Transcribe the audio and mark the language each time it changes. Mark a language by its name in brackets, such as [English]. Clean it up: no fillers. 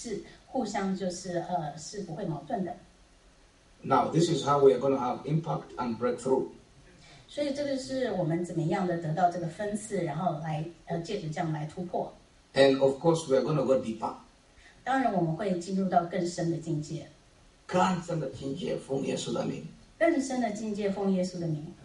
[Chinese] 所以呢,就是神的话还有圣灵的彰显呢,他们也是互相就是,是不会矛盾的。 [English] Now, this is how we are going to have impact and breakthrough. [Chinese] 所以这个是我们怎么样的得到这个分次,然后来,借着这样来突破。 [English] And of course, we are going to go deeper. [Chinese] 当然我们会进入到更深的境界。更深的境界,奉耶稣的名。更深的境界,奉耶稣的名。